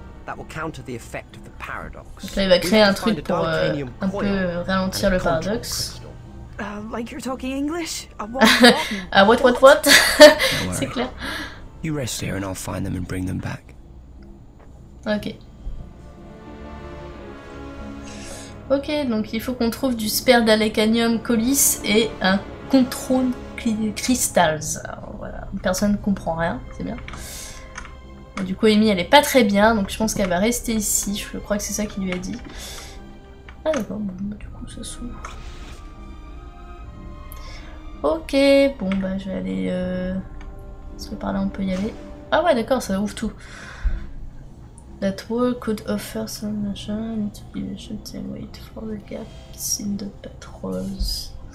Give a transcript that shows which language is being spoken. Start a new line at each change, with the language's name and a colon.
English: That will counter the effect of the paradox.
French: Donc là, il va créer un truc pour un peu ralentir le paradoxe.
English: Like you're talking English? What?
French: C'est clair.
English: You rest here and I'll find them and bring them back.
French: Ok, donc il faut qu'on trouve du spare d'Alecanium colis et un control crystals. Alors, voilà, personne ne comprend rien, c'est bien. Et du coup, Amy, elle est pas très bien, donc je pense qu'elle va rester ici. Je crois que c'est ça qu'il lui a dit. Ah d'accord, bon, du coup, ça s'ouvre. Ok, bon bah je vais aller est-ce que par là on peut y aller? Ah ouais d'accord, ça ouvre tout.
English: That wall could offer some machine to be patient and wait for the gaps in the patrols.